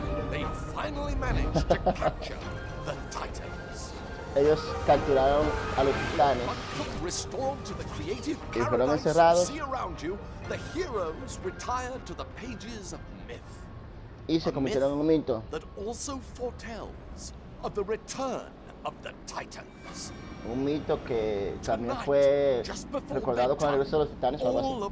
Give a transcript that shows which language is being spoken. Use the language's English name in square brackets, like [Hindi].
[English] They finally managed to capture the Titans. [Spanish] Ellos capturaron a los Titanes. [English] Restored to the creative [Spanish] y fueron encerrados. [English] See around you, the heroes retired to the pages of myth. [Spanish] Y se convirtieron en un mito. [English] That also foretells of the return of the Titans. [Spanish] Un mito que también fue recordado con el regreso de los Titanes o algo así.